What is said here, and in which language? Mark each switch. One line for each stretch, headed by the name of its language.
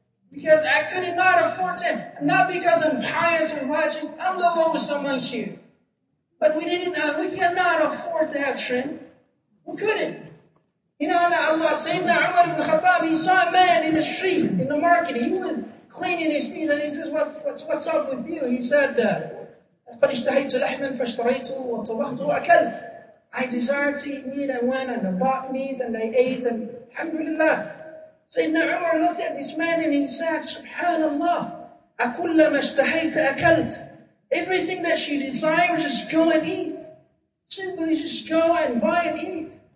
English: Because I could not afford them. Not because I'm pious or righteous, I'm the lowest amongst you. But we cannot afford to have shrimp. We couldn't. You know, Allah, Sayyidina Umar ibn Khattab, he saw a man in the street, in the market. He was cleaning his feet and he says, what's up with you? He said,
Arabic: قَدْ اشْتَهَيْتُ لَحْمًا فَاشْتَرَيْتُ وَطَبَخْتُ وَأَكَلْتُ.
English: I desire to eat meat, and went and I bought meat and I ate, and alhamdulillah. Sayyidina Umar looked at this man and he said, Subhanallah,
Arabic: أَكُلَّمَا اشْتَهَيْتَ أَكَلْتُ.
English: Everything that she desires, just go and eat. Simply just go and buy and eat.